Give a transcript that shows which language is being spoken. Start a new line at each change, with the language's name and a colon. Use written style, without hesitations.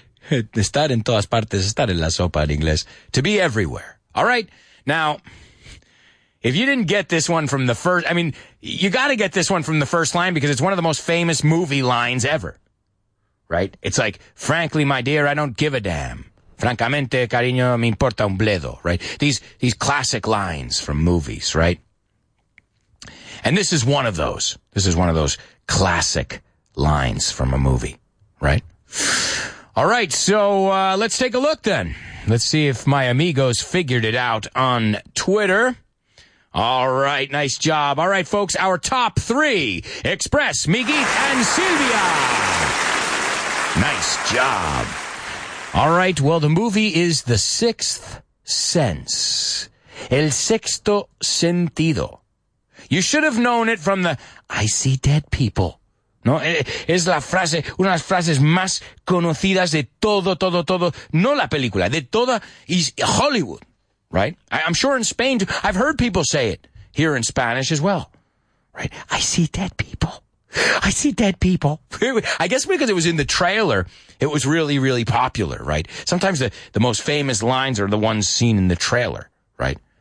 Spanish: Estar en todas partes, estar en la sopa en inglés.
English: To be everywhere. All right. Now, if you didn't get this one from the first, I mean, you got to get this one from the first line because it's one of the most famous movie lines ever, right? It's like, frankly, my dear, I don't give a damn. Francamente, cariño, me importa un bledo, right? These classic lines from movies, right? And this is one of those. This is one of those classic lines from a movie, right? All right, so let's take a look then. Let's see if my amigos figured it out on Twitter. All right, nice job. All right, folks, our top three, Express, Miguel, and Silvia. Nice job. All right, well, the movie is The Sixth Sense. El Sexto Sentido. You should have known it from the I See Dead People.
Spanish: No, es la frase, una de las frases más conocidas de todo, no la película, de toda is Hollywood, right?
English: I'm sure in Spain, I've heard people say it here in Spanish as well, right? I see dead people. I see dead people. I guess because it was in the trailer, it was really, really popular, right? Sometimes the most famous lines are the ones seen in the trailer, right?